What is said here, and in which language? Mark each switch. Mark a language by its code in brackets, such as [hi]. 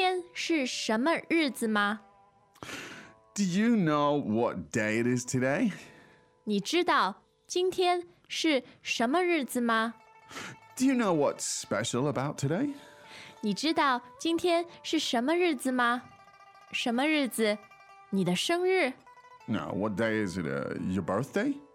[zh] 好,你知道今天是什么日子吗? [en] Do you know what day it is today? [zh] 你知道今天是什么日子吗? [en] Do you know what's special about today? [zh] 你知道今天是什么日子吗? 什么日子?你的生日? [en] No, what day is it? Your birthday?